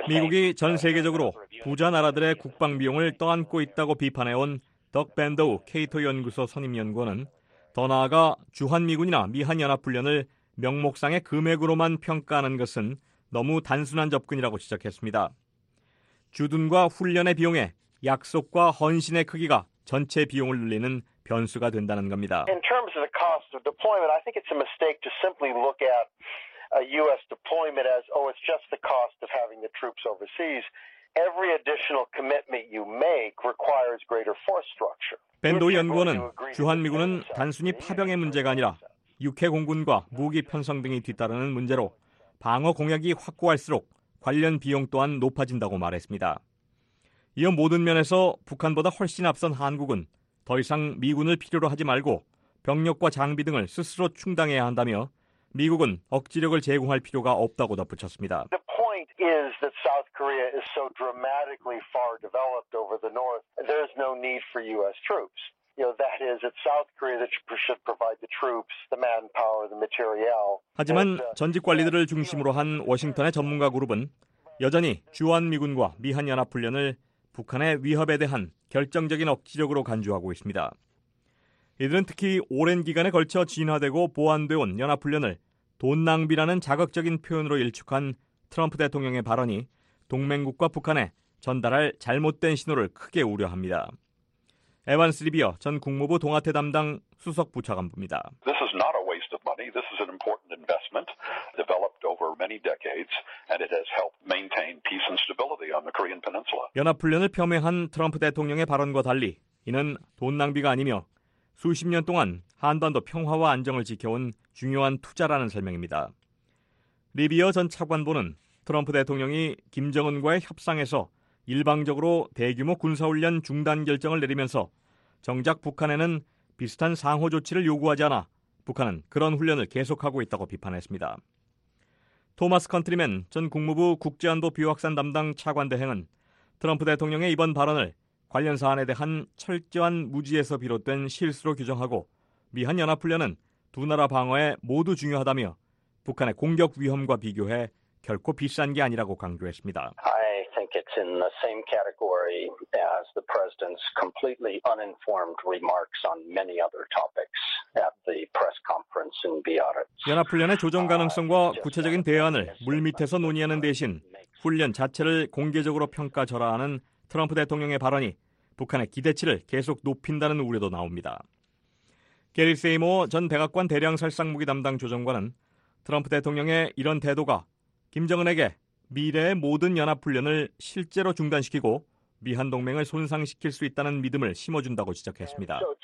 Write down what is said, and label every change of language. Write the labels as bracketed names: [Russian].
[Korean] 미국이 전 세계적으로 부자 나라들의 국방 비용을 떠안고 있다고 비판해온 덕 밴더우 케이토 연구소 선임 연구원은 더 나아가 주한 미군이나 미한 연합 훈련을 명목상의 금액으로만 평가하는 것은 너무 단순한 접근이라고 지적했습니다. 주둔과 훈련의 비용에 약속과 헌신의 크기가 전체 비용을 늘리는 변수가 된다는 겁니다. [English] In terms of the cost of deployment, I think it's a mistake to simply look at a U.S. deployment as, oh, it's just the cost of having the troops overseas. Every additional commitment you make requires greater force structure. [Korean] 밴도 연구원은 주한미군은 단순히 파병의 문제가 아니라 육해공군과 무기 편성 등이 뒤따르는 문제로 방어 공약이 확고할수록 관련 비용 또한 높아진다고 말했습니다. 이어 모든 면에서 북한보다 훨씬 앞선 한국은 더 이상 미군을 필요로 하지 말고 병력과 장비 등을 스스로 충당해야 한다며 미국은 억지력을 제공할 필요가 없다고 덧붙였습니다. [English] The point is that South Korea is so dramatically far developed over the North, there's no need for U.S. troops. You know, that is, it's South Korea that should provide the troops, the manpower, the materiel. [Korean] 하지만 전직 관리들을 중심으로 한 워싱턴의 전문가 그룹은 여전히 주한미군과 미한연합훈련을 북한의 위협에 대한 결정적인 억지력으로 간주하고 있습니다. 이들은 특히 오랜 기간에 걸쳐 진화되고 보완되어온 연합훈련을 돈 낭비라는 자극적인 표현으로 일축한 트럼프 대통령의 발언이 동맹국과 북한에 전달할 잘못된 신호를 크게 우려합니다. 에반스 리비어 전 국무부 동아태 담당 수석 부차관부입니다. [English] This is not a waste of money. This is an important investment developed over many decades and it has helped maintain peace and stability on the Korean Peninsula. [Korean] 연합훈련을 폄훼한 트럼프 대통령의 발언과 달리 이는 돈 낭비가 아니며 수십 년 동안 한반도 평화와 안정을 지켜온 중요한 투자라는 설명입니다. 리비어 전 차관보는 트럼프 대통령이 김정은과의 협상에서 일방적으로 대규모 군사훈련 중단 결정을 내리면서 정작 북한에는 비슷한 상호 조치를 요구하지 않아 북한은 그런 훈련을 계속하고 있다고 비판했습니다. 토마스 컨트리맨 전 국무부 국제안보 비확산 담당 차관 대행은 트럼프 대통령의 이번 발언을 관련 사안에 대한 철저한 무지에서 비롯된 실수로 규정하고 미한연합훈련은 두 나라 방어에 모두 중요하다며 북한의 공격 위험과 비교해 결코 비싼 게 아니라고 강조했습니다. [English] I think it's in the same category as the president's completely uninformed remarks on many other topics at the press conference in Biarritz. [Korean] 연합훈련의 조정 가능성과 구체적인 대안을 물밑에서 논의하는 대신 훈련 자체를 공개적으로 평가절하하는 트럼프 대통령의 발언이 북한의 기대치를 계속 높인다는 우려도 나옵니다. 게리 세이모 전 백악관 대량살상무기 담당 조정관은 트럼프 대통령의 이런 태도가 김정은에게 미래의 모든 연합훈련을 실제로 중단시키고 미한 동맹을 손상시킬 수 있다는 믿음을 심어준다고 지적했습니다.